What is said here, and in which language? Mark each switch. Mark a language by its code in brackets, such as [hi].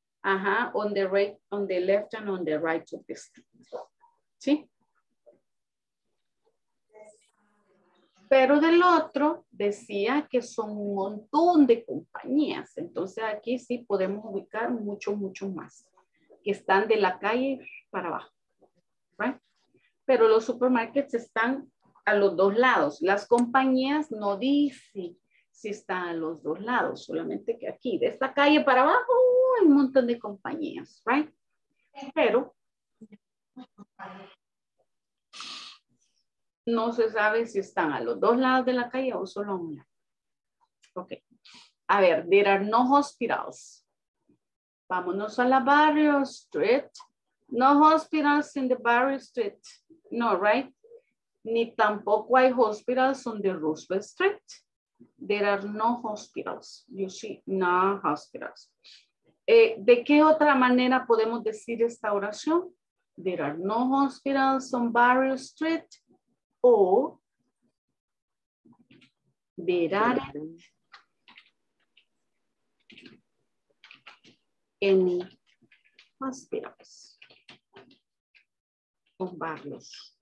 [en] Ajá, on the right, on the left and on the right of the street. [es] ¿Sí? Pero del otro decía que son un montón de compañías. Entonces aquí sí podemos ubicar mucho, mucho más. Que están de la calle para abajo, [en] right? [es] Pero los supermarkets están... a los dos lados. Las compañías no dicen si están a los dos lados, solamente que aquí, de esta calle para abajo, hay un montón de compañías, [en] right? [es] Pero no se sabe si están a los dos lados de la calle o solo una. Ok. A ver, [en] there are no hospitals. [es] Vámonos a la Barrio Street. [en] No hospitals in the Barrio Street. No, right? [es] Ni tampoco hay [en] hospitals on the Roosevelt Street. There are no hospitals. You see, no hospitals. [es] ¿De qué otra manera podemos decir esta oración? [en] There are no hospitals on Barrio Street. O there are any hospitals on Barrio Street.